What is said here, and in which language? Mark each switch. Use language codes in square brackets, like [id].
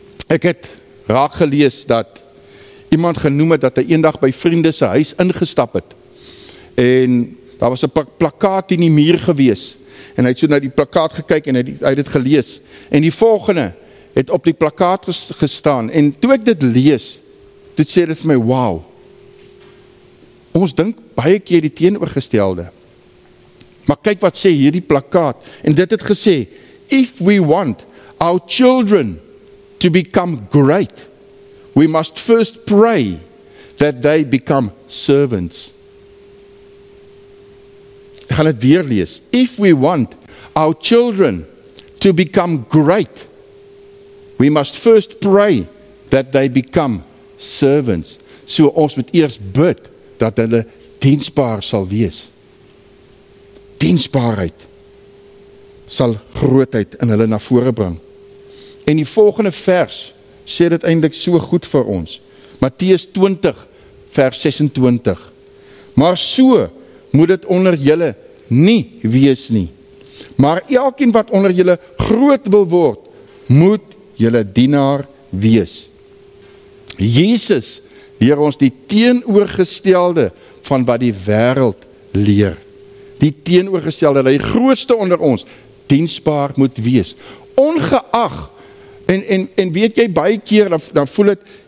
[af] Ek het raak gelees dat iemand genoem het dat hy eendag by vriende se huis ingestap het. En daar was 'n plakkaat in die muur gewees. En hy het so na die plakkaat gekyk en hy het dit gelees. En die volgende het op die plakkaat gestaan. En toe ek dit lees, toe sê dit vir my, wow. Ons dink baie keer die teenoorgestelde. Maar kyk wat sê hierdie plakkaat. En dit het gesê, [en] if we want our children to become great, we must first pray that they become servants. [af] Ek gaan dit weer lees. [en] If we want our children to become great, we must first pray that they become servants. [af] So ons moet eers bid dat hulle diensbaar sal wees. Diensbaarheid sal grootheid in hulle na vore bring. En die volgende vers sê dit eintlik so goed vir ons. Matteus 20 vers 26. Maar so moet dit onder julle nie wees nie. Maar elkeen wat onder julle groot wil word, moet julle dienaar wees. Jesus leer ons die teenoorgestelde van wat die wêreld leer. Die teenoorgestelde, die grootste onder ons, diensbaar moet wees. Ongeag, en weet jy, baie keer, dan voel het